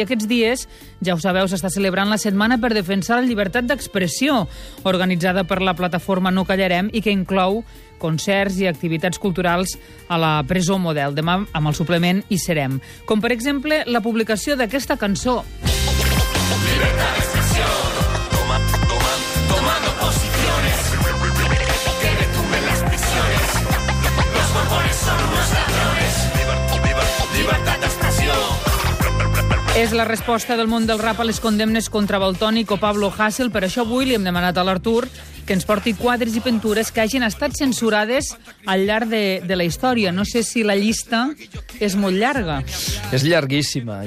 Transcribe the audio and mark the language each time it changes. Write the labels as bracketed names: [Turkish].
[Catalan] I aquests dies, ja ho sabeu, s'està celebrant la Setmana per defensar la llibertat d'expressió, organitzada per la plataforma No Callarem i que inclou concerts i activitats culturals a la Presó Model. Demà, amb el suplement, hi serem. Com, per exemple, la publicació d'aquesta cançó. [Spanish] Libertad de expresión, tomando posiciones, que detumben las prisiones, los borbones son unos ladrones. Libertad de expresión. [Catalan] És la resposta del món del rap a les condemnes contra Valtònic o Pablo Hasél. Per això avui li hem demanat a l'Artur que ens porti quadres i pintures que hagin estat censurades al llarg de la història. No sé si la llista és molt llarga. És llarguíssima.